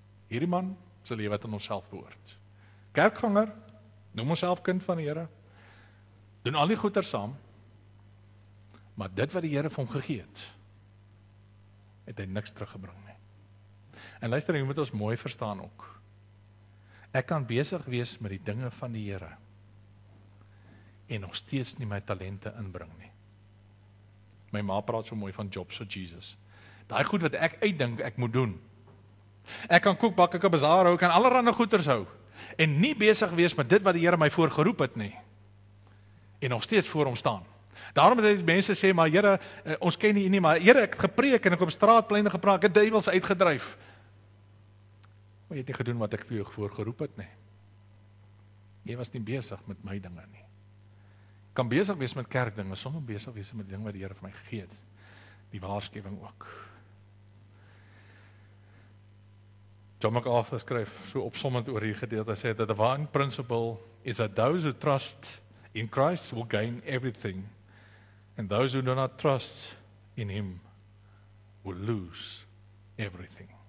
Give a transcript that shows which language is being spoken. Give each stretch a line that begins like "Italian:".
Afrikaans: Hierdie man, sy lewe het aan onsself behoort. Kerkganger, noem onsself kind van die Here, doen al die goeders saam, maar dit wat die Here vir hom gegee het, het hy niks teruggebring nie. En luister, jy moet ons mooi verstaan ook. Ek kan besig wees met die dinge van die Here en nog steeds nie my talente inbring nie. My ma praat so mooi van
English: jobs for Jesus.
Afrikaans: Daai goed wat ek uitdink ek moet doen. Ek kan koek bak, ek kan bazaar hou, ek kan allerhande goeders hou en nie besig wees met dit wat die Here my voor geroep het nie. En nog steeds voor hom staan. Daarom het die mense sê, maar Here, ons ken nie nie, maar Here, ek het gepreek en ek op straatpleine gepraat, ek het duivels uitgedryf. Maar jy het nie gedoen wat ek vir jou voor geroep het nie. Jy was nie besig met my dinge nie. Kan besig wees met kerkdinge, sommer besig wees met die ding wat die Here vir my gegee het. Die waarskuwing ook. John MacArthur skryf so opsommend oor hierdie gedeelte, hy sê,
English: the divine principle is that those who trust in Christ will gain everything, and those who do not trust in Him will lose everything.